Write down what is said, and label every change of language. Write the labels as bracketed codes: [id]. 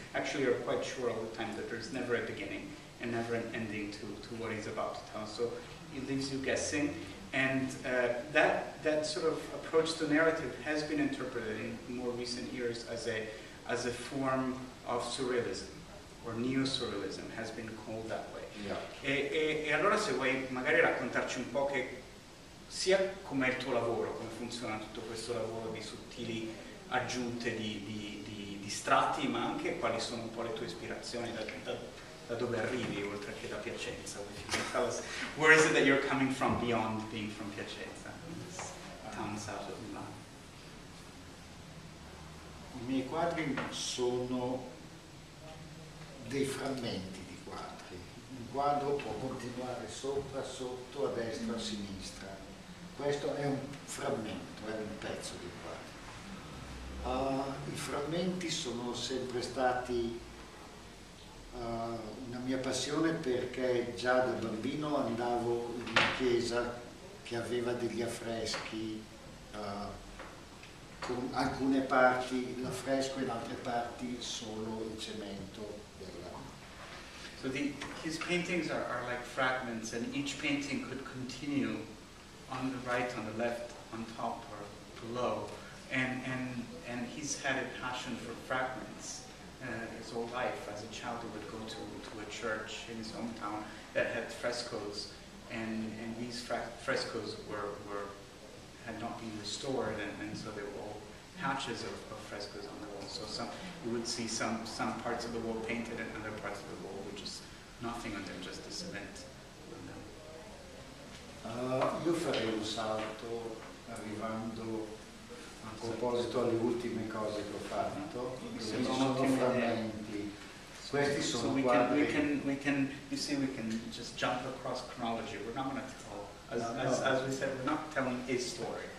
[en] Actually, you're quite sure all the time that there's never a beginning and never an ending to what he's about to tell. So it leaves you guessing. And that sort of approach to narrative has been interpreted in more recent years as a form of surrealism, or neo-surrealism has been called that way. Yeah. [it] E allora se vuoi magari raccontarci un po' che sia com'è il tuo lavoro, come funziona tutto questo lavoro di sottili aggiunte di strati, ma anche quali sono un po' le tue ispirazioni da dove arrivi, oltre che da Piacenza. [en] Tell us, where is it that you're coming from beyond being from Piacenza, this town south of Milan? [it] I miei quadri sono dei frammenti di quadri. Un quadro può continuare sopra, sotto, a destra, a sinistra. Questo è un frammento, è un pezzo di quadro. I frammenti sono sempre stati una mia passione, perché già da bambino andavo in una chiesa che aveva degli affreschi, con alcune parti l'affresco e in altre parti solo il cemento della... [en] So his paintings are like fragments, and each painting could continue on the right, on the left, on top or below, and he's had a passion for fragments. His whole life, as a child, he would go to a church in his hometown that had frescoes, and these frescoes were had not been restored, and so they were all patches of frescoes on the wall. So some you would see some parts of the wall painted, and other parts of the wall were just nothing on them, just the cement on them. [it] Io farei un salto arrivando a proposito alle ultime cose che ho fatto, sono frammenti. Questi sono so quadri. [en] We can you see, we can just jump across chronology. We're not going to tell, as we said, we're not telling a story.